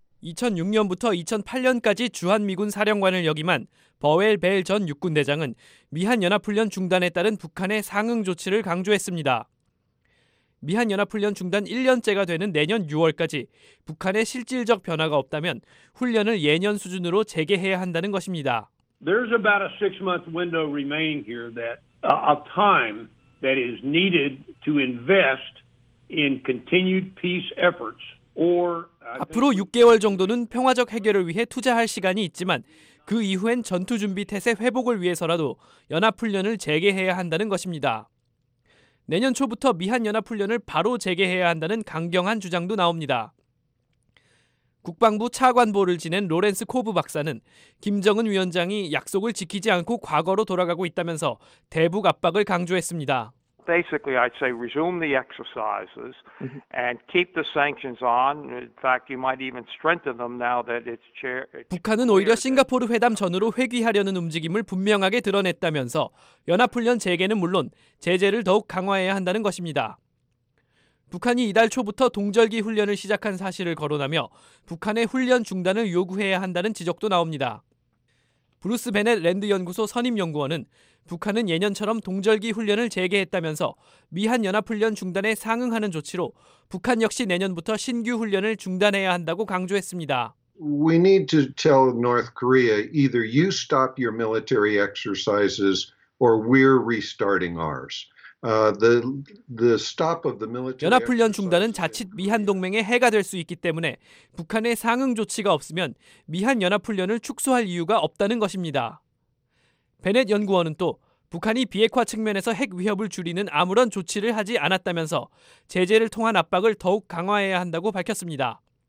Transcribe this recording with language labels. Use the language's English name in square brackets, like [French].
[Korean] 2006년부터 2008년까지 주한미군 사령관을 역임한 버웰 벨 전 육군대장은 미한 연합훈련 중단에 따른 북한의 상응 조치를 강조했습니다. 미한연합훈련 중단 1년째가 되는 내년 6월까지 북한의 실질적 변화가 없다면 훈련을 예년 수준으로 재개해야 한다는 것입니다. [English] There's about a six-month window remaining here that a time that is needed to invest in continued peace efforts. [Korean] 앞으로 6개월 정도는 평화적 해결을 위해 투자할 시간이 있지만 그 이후엔 전투준비태세 회복을 위해서라도 연합훈련을 재개해야 한다는 것입니다. 내년 초부터 미한연합훈련을 바로 재개해야 한다는 강경한 주장도 나옵니다. 국방부 차관보를 지낸 로렌스 코브 박사는 김정은 위원장이 약속을 지키지 않고 과거로 돌아가고 있다면서 대북 압박을 강조했습니다. [English] Basically, I'd say resume the exercises and keep the sanctions on. In fact, you might even strengthen them now that it's chair. [Korean] 북한은 오히려 싱가포르 회담 전으로 회귀하려는 움직임을 분명하게 드러냈다면서 연합훈련 재개는 물론 제재를 더욱 강화해야 한다는 것입니다. 북한이 이달 초부터 동절기 훈련을 시작한 사실을 거론하며 북한의 훈련 중단을 요구해야 한다는 지적도 나옵니다. 브루스 베넷 랜드 연구소 선임 연구원은 북한은 예년처럼 동절기 훈련을 재개했다면서 미한 연합 훈련 중단에 상응하는 조치로 북한 역시 내년부터 신규 훈련을 중단해야 한다고 강조했습니다. [English] We need to tell North Korea either you stop your military exercises or we're restarting ours. The stop of the military [Korean] 연합 훈련 중단은 자칫 미한 동맹에 해가 될 수 있기 때문에 북한의 상응 조치가 없으면 미한 연합 훈련을 축소할 이유가 없다는 것입니다. 베넷 연구원은 또 북한이 비핵화 측면에서 핵 위협을 줄이는 아무런 조치를 하지 않았다면서 제재를 통한 압박을 더욱 강화해야 한다고 밝혔습니다.